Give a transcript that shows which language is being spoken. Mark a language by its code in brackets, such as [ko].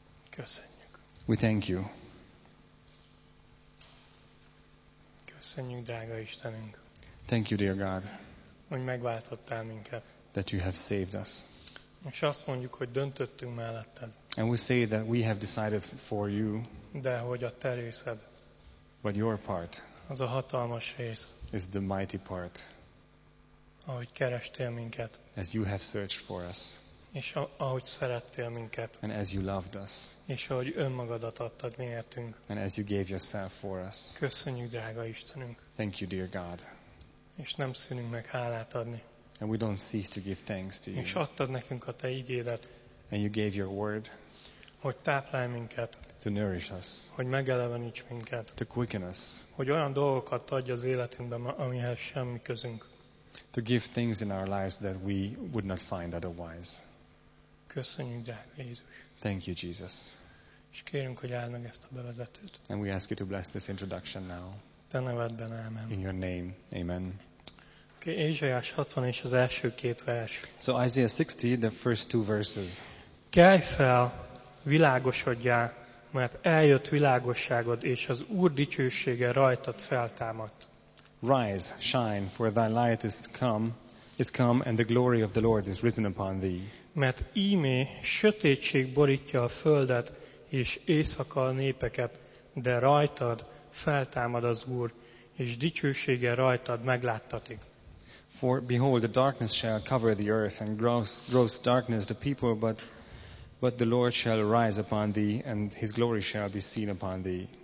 [hu] Köszönjük. [en] We thank you. [hu] Köszönjük, drága Istenünk. [en] Thank you, dear God. [hu] Hogy megváltottál minket. [en] That you have saved us. [hu] És azt mondjuk, hogy döntöttünk melletted. [en] And we say that we have decided for you. [hu] De hogy a te részed. [en] But your part. [hu] Az a hatalmas rész. [en] Is the mighty part. [hu] Ahogy kerestél minket. [en] As you have searched for us. [hu] És ahogy szerettél minket. [en] And as you loved us. [hu] És ahogy önmagadat adtad miértünk. [en] And as you gave yourself for us. [hu] Köszönjük, drága Istenünk. [en] Thank you, dear God. [hu] És nem szűnünk meg hálát adni. [en] And we don't cease to give thanks to you. [hu] És adtad nekünk a te igédet. [en] And you gave your word. [hu] Hogy táplálj minket. [en] To nourish us. [hu] Hogy megeleveníts minket. [en] To quicken us. [hu] Hogy olyan dolgokat adj az életünkbe, amihez semmi közünk. [en] To give things in our lives that we would not find otherwise. [hu] Köszönjük, drága Jézus. [en] Thank you, Jesus. [hu] És kérünk, hogy áld meg ezt a bevezetőt. [en] And we ask you to bless this introduction now. [hu] Te nevedben, ámen. [en] In your name, amen. [hu] Ézsaiás 60 és az első két vers. [en] So Isaiah 60, the first two verses. [hu] Kelj fel, világosodjál, mert eljött világosságod, és az Úr dicsősége rajtad feltámadt. [en] Rise, shine, for thy light is come, and the glory of the Lord is risen upon thee. [hu] Mert íme sötétség borítja a földet, és éjszaka a népeket, de rajtad feltámad az Úr, és dicsősége rajtad megláttatik. [en] For behold, the darkness shall cover the earth, and gross darkness the people, but the Lord shall rise upon thee, and his glory shall be seen upon thee.